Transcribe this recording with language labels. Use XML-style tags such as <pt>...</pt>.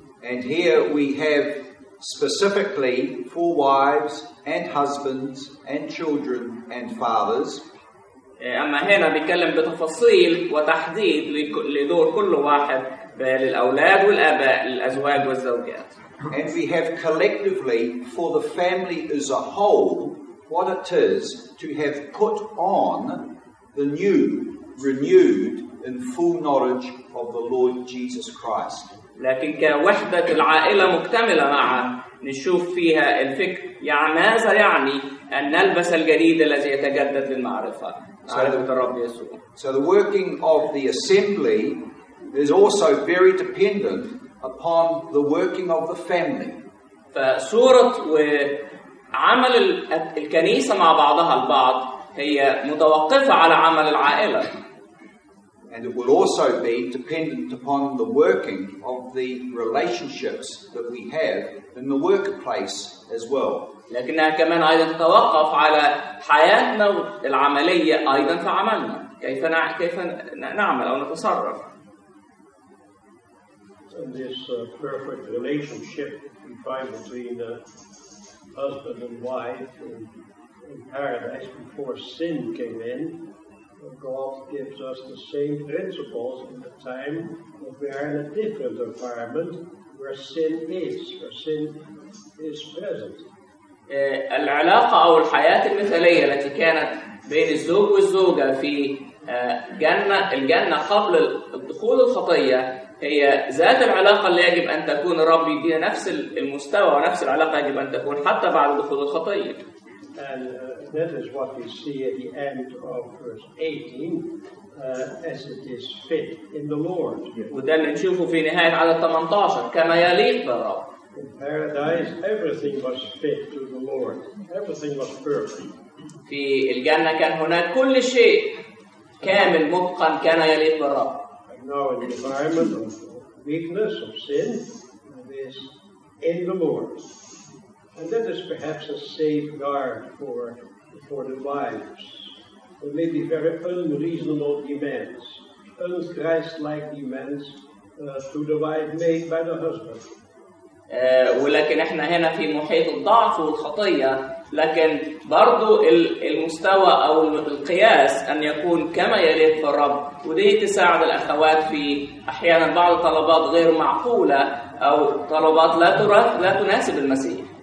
<en>And here we have specifically for wives and husbands and children and fathers.</en> <ar>أما هنا بيتكلم بتفاصيل وتحديد لدور كل واحد للأولاد والآباء للأزواج والزوجات.</ar> <en>And we have collectively, for the family as a whole, what it is to have put on the new, renewed, in full knowledge of the Lord Jesus Christ.</en> <ar>لكن كوحدة العائلة مكتملة معا نشوف فيها الفكر يعماز يعني أن نلبس الجديد الذي يتجدد للمعرفة معرفة الرب يسوع.</ar> <en>So the working of the assembly is also very dependent upon the working of the family.</en> <ar>فصورة وعمل الكنيسة مع بعضها البعض هي متوقفة على عمل العائلة.</ar> <en>And it will also be dependent upon the working of the relationships that we have in the workplace as well.</en> <ar>لكنها كمان أيضا تتوقف على حياتنا العملية أيضا في عملنا. كيف نعمل أو نتصرف.</ar> <en>And this perfect relationship we find between the husband and wife in paradise before sin came in, God gives us the same principles in the time that we are in a different environment where sin is present.</en> <ar>العلاقة أو الحياة المثالية التي كانت بين الزوج والزوجة في الجنة قبل دخول الخطية هي ذات العلاقة اللي يجب أن تكون الرب يديها نفس المستوى ونفس العلاقة يجب أن تكون حتى بعد دخول الخطية.</ar> <en>And that is what we see at the end of verse 18 as it is fit in the Lord.</en> <ar>وده اللي نشوفه في نهاية عدد 18 كما يليق بالرب.</ar> <en>In paradise everything was fit to the Lord. Everything was perfect.</en> <ar>في الجنة كان هناك كل شيء كامل متقن كان يليق بالرب.</ar> <en>Now in the environment of weakness, of sin, it is in the Lord. And that is perhaps a safeguard for the wives. There may be very unreasonable demands, un-Christ-like demands to the wife made by the husband.</en> <ar>ولكن احنا هنا في محيط الضعف والخطية لكن برضو المستوى أو القياس أن يكون كما يليق في الرب ودي تساعد الأخوات في أحيانا بعض طلبات غير معقولة أو طلبات لا تناسب المسيح</ar>